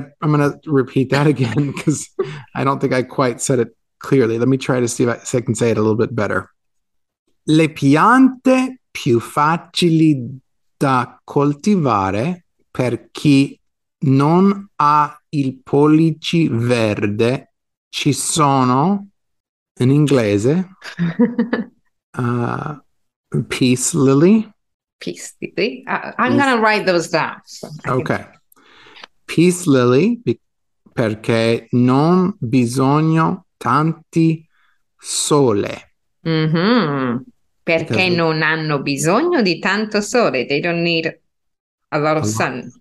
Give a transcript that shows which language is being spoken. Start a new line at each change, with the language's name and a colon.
English: I'm gonna repeat that again because I don't think I quite said it clearly. Let me try to see if I can say it a little bit better.
Italian: Le piante più facili da coltivare per chi non ha il pollice verde ci sono, in inglese, peace lily.
English: Peace. I'm gonna write those down so I can.
Italian: Ok. Peace lily, perché non bisogno tanti sole. Perché
English: Because
Italian: non hanno bisogno di tanto sole.
English: They don't need a lot of sun,